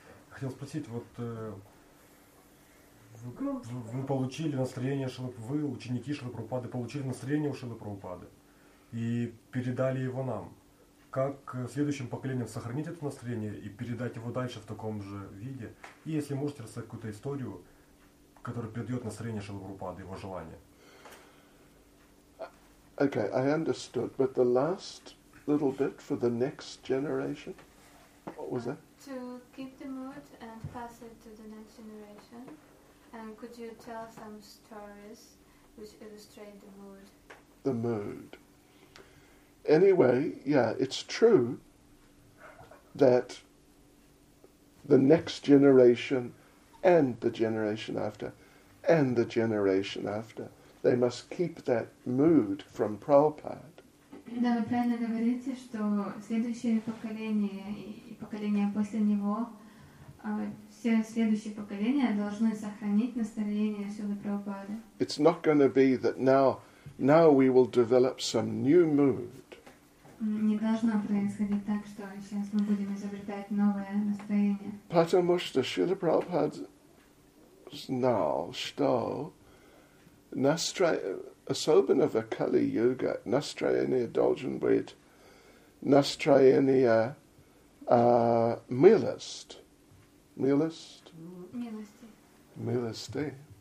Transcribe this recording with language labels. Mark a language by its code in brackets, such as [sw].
[ru] Хотел спросить, вот вы получили настроение Шрилы Прабхупады, вы, ученики Шрилы Прабхупады, получили настроение у Шрилы Прабхупады и передали его нам. Как следующим поколениям сохранить это настроение и передать его дальше в таком же виде? И если можете рассказать какую-то историю, который придает настроение Шрилы Прабхупады, его желание. [en] Okay, I understood. But the last little bit for the next generation, what was that? To keep the mood and pass it to the next generation. And could you tell some stories which illustrate the mood? The mood. Anyway, yeah, it's true that the next generation and the generation after, and the generation after, they must keep that mood from Prabhupada. [ru] Да, вы правильно говорите, что следующее поколение и поколение после него, все следующие поколения должны сохранить настроение Шрилы Прабхупады. [en] It's not going to be that now we will develop some new mood. [ru] Не должно происходить так, что сейчас мы будем изобретать новое настроение. Потому что Шрила Прабхупада знал, что особенно в Кали-юге настроение должен быть настроение милости.